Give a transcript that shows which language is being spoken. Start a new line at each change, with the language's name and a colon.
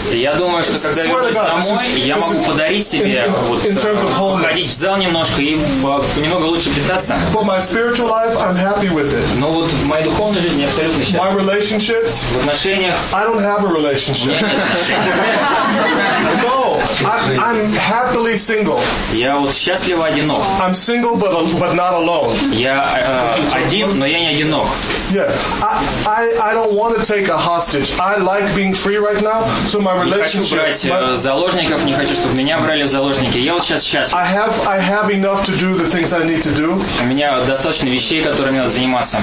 Russian: Я думаю, что когда я вернусь домой, я могу подарить себе вот ходить в зал немножко и немного лучше питаться.
English: But my spiritual life, I'm happy with it.
Russian: Но вот в моей духовной жизни абсолютно счастлив.
English: My relationships,
Russian: в отношениях,
English: I don't have a relationship. No, I'm happily single.
Russian: Я вот счастливо одинок.
English: I'm single, but not alone.
Russian: Я один, но я не одинок.
English: Yeah, I don't want to take a hostage. I like being free right now, so my relationship.
Russian: Не хочу брать заложников, не хочу, чтобы меня брали в заложники. Я вот сейчас счастлив.
English: I have enough to do the things I need to do.
Russian: У меня достаточно вещей, которыми надо заниматься.